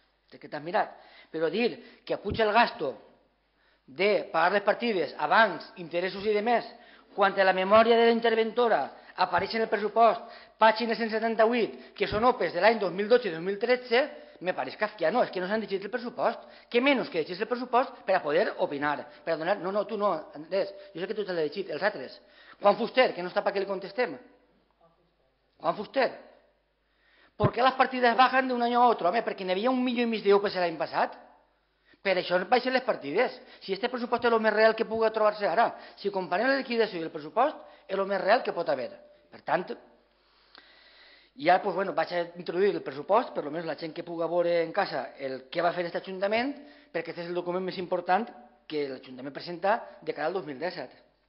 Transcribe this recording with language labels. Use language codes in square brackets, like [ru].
[ca] Que t'has mirat, però dir que puja el gasto de pagar les partides abans, interessos i demés, quan a la memòria de la interventora apareix en el pressupost pàgina 178, que són OPEs de l'any 2012-2013, me pareix kafkiano, és que no s'han llegit el pressupost. Què menys que llegis el pressupost per a poder opinar, per a donar... No, no, tu no, Andrés, jo sé que tu te l'has llegit, els altres. Juan Fuster, que no està perquè li contestem. Juan Fuster. [es] ¿Por qué las partidas bajan de un año a otro? [ca] Home, perquè n'hi havia 1,5 milions d'euros l'any passat. Per això baixen les partides. Si este pressupost és el més real que pugui trobar-se ara. Si comparem la liquidació i el pressupost, és el més real que pot haver. Per tant, ja pues, bueno, vaig a introduir el pressupost, per almenys la gent que pugui veure en casa el que va fer aquest Ajuntament, perquè aquest és el document més important que l'Ajuntament presenta de cara al 2017.